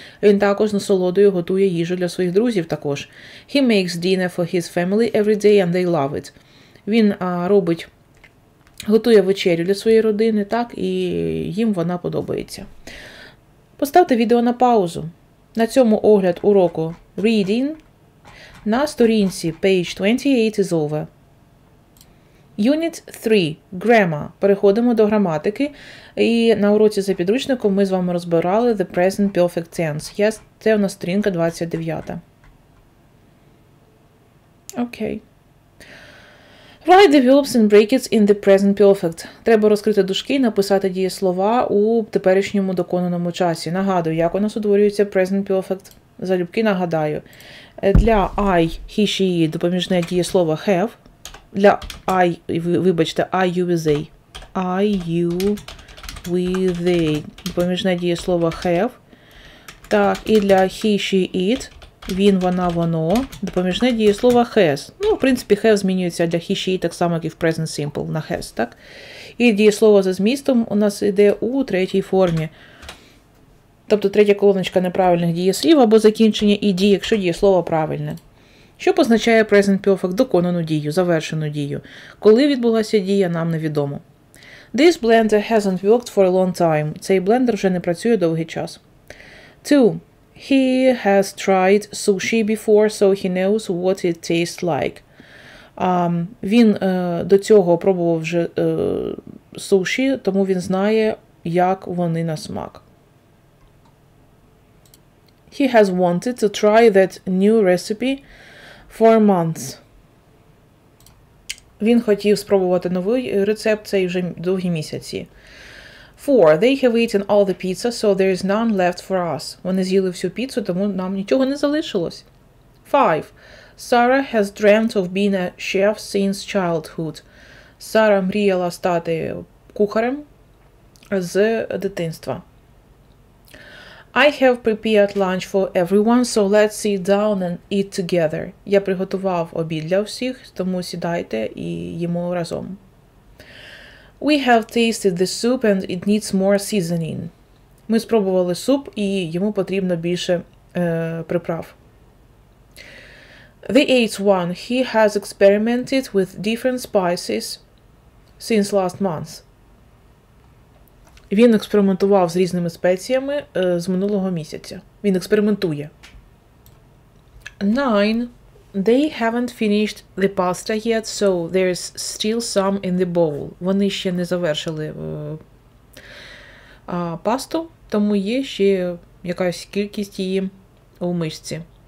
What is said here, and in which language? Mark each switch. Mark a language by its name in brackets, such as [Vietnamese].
[Ukrainian] Він також насолодою готує їжу для своїх друзів також. [English] He makes dinner for his family every day and they love it. [Ukrainian] Він готує вечерю для своєї родини, так, і їм вона подобається. Поставте відео на паузу. На цьому огляд уроку [English] Reading [Ukrainian] на сторінці [English] page 28 is over. Unit 3. Grammar. [Ukrainian] Переходимо до граматики. І на уроці за підручником ми з вами розбирали The Present Perfect Tense. Це у нас сторінка 29. Окей. [English] Write the verbs and brackets in the present perfect. [Ukrainian] Треба розкрити дужки і написати дієслова у теперішньому доконаному часі. Нагадую, як у нас утворюється present perfect. Залюбки нагадаю. Для I, he, she, допоміжне дієслово have. Для I, вибачте, [English] I, you, with they. I, you, with they. [Ukrainian] Допоміжне дієслово have. Так, і для he, she, it. Він, вона, воно. Допоміжне дієслово has. Ну, в принципі, have змінюється для he, she, так само, як і в present simple на has, так? І дієслово за змістом у нас йде у третій формі. Тобто, третя колоночка неправильних дієслів або закінчення і дії, якщо дієслово правильне. Що позначає present perfect? Доконану дію, завершену дію. Коли відбулася дія, нам невідомо. [English] This blender hasn't worked for a long time. [Ukrainian] Цей блендер вже не працює довгий час. [English] Two. He has tried sushi before, so he knows what it tastes like. [Ukrainian] Він до цього пробував вже суші, тому він знає, як вони на смак. [English] He has wanted to try that new recipe for months. [Ukrainian] Він хотів спробувати новий рецепт, цей вже довгі місяці. [English] Four. They have eaten all the pizza, so there is none left for us. [Ukrainian] Вони з'їли всю піцу, тому нам нічого не залишилось. [English] Five. Sarah has dreamt of being a chef since childhood. [Ukrainian] Сара мріяла стати кухарем з дитинства. [English] I have prepared lunch for everyone, so let's sit down and eat together. [Ukrainian] Я приготував обід для всіх, тому сідайте і їмо разом. [English] We have tasted the soup and it needs more seasoning. [Ukrainian] Ми спробували суп і йому потрібно більше приправ. [English] The eighth one. He has experimented with different spices since last month. [Ukrainian] Він експериментував з різними спеціями з минулого місяця. Він експериментує. Nine. [English] They haven't finished the pasta yet, so there's still some in the bowl. [Ukrainian] Вони ще не завершили пасту, тому є ще якась кількість її у мисці.